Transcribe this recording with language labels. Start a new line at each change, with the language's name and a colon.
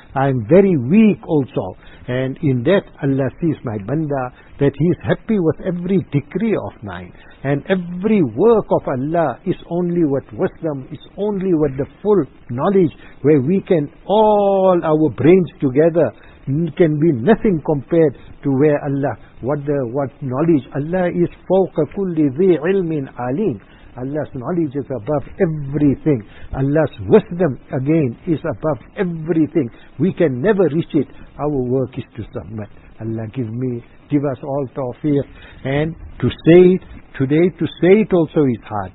English: I'm very weak also, and in that Allah sees my banda, that He is happy with every decree of mine. And every work of Allah is only with wisdom, is only with the full knowledge, where we can all our brains together can be nothing compared to where Allah, what knowledge. Allah is
Arabic: فوق كل ذي علم عليم.
English: Allah's knowledge is above everything. Allah's wisdom, again, is above everything. We can never reach it. Our work is to submit. Allah, give us all tawfiq. And to say it, today to say it also is hard.